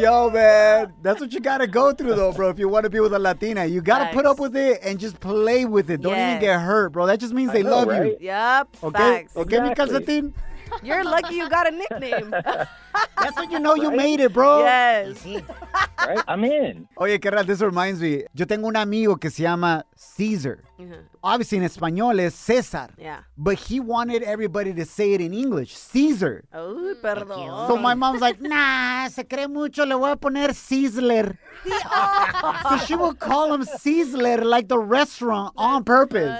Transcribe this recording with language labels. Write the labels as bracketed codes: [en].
[en] Yo, man, that's what you got to go through, though, bro, if you want to be with a Latina. You got to put up with it and just play with it. Don't even get hurt, bro. That just means they love you. Yep, okay? Facts. Okay, exactly. Me Calcetín. You're lucky you got a nickname. That's when you know you made it, bro. Yes. Right? I'm in. [es] Oye, carnal, [en] this reminds me. [es] Yo tengo un amigo que se llama Caesar. [en] Mm-hmm. Obviously, in español es César. Yeah. But he wanted everybody to say it in English. Caesar. [es] Oh, perdón. [en] So my mom's like, nah, [es] se cree mucho, le voy a poner Sizzler. [en] So she would call him Sizzler, like the restaurant, on purpose.